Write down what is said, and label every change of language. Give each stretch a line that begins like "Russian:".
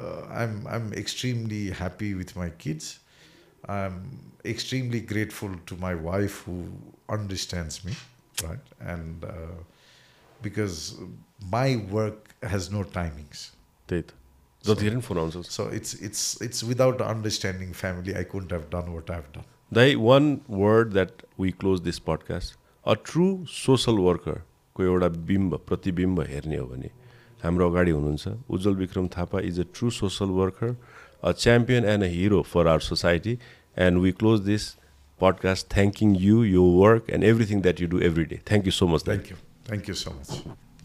English: I'm extremely happy with my kids. I'm extremely grateful to my wife who understands me. Right? And because my work has no timings. So it's without understanding family, I couldn't have done what I've done. The one word that we close this podcast, a true social worker
Nepali: को एउटा बिम्ब प्रतिबिम्ब हेर्ने हो भने हाम्रो अगाडि हुनुहुन्छ
English: Ujjwal Vikram Thapa. Is a true social worker. a champion and a hero for our society. And we close this podcast thanking you, your work, and everything that you do every day. Thank you so much. Thank you. Thank you so much.